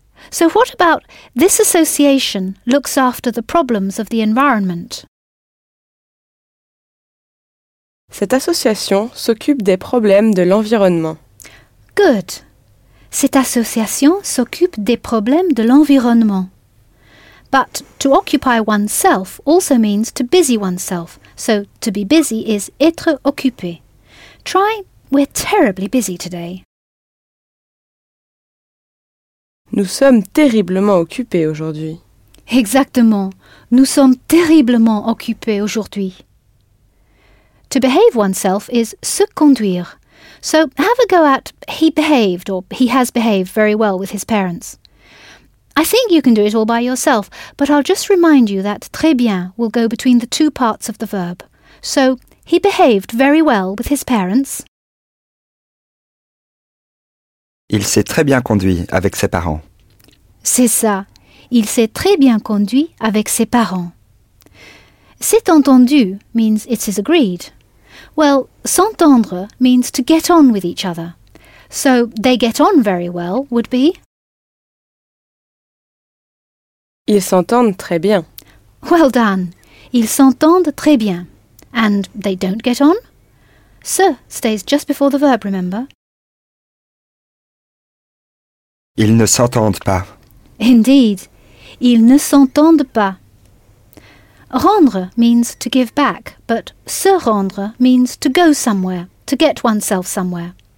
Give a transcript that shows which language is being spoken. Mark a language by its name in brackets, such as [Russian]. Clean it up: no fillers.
[English] So what about this association looks after the problems of the environment? [French] Cette association s'occupe des problèmes de l'environnement. [English] Good. [French] Cette association s'occupe des problèmes de l'environnement. [English] But to occupy oneself also means to busy oneself. So to be busy is être occupé. Try, we're terribly busy today. [French] Nous sommes terriblement occupés aujourd'hui. Exactement. Nous sommes terriblement occupés aujourd'hui. [English] To behave oneself is se conduire. So have a go at he behaved or he has behaved very well with his parents. I think you can do it all by yourself, but I'll just remind you that très bien will go between the two parts of the verb. So he behaved very well with his parents. [French] Il s'est très bien conduit avec ses parents. C'est ça. Il s'est très bien conduit avec ses parents. C'est entendu [English] means it is agreed. Well, s'entendre means to get on with each other. So, they get on very well would be... [French] Ils s'entendent très bien. [English] Well done. [French] Ils s'entendent très bien. [English] And they don't get on? Se stays just before the verb, remember? [French] Ils ne s'entendent pas. [English] Indeed. [French] Ils ne s'entendent pas. [English] Rendre means to give back, but se rendre means to go somewhere, to get oneself somewhere.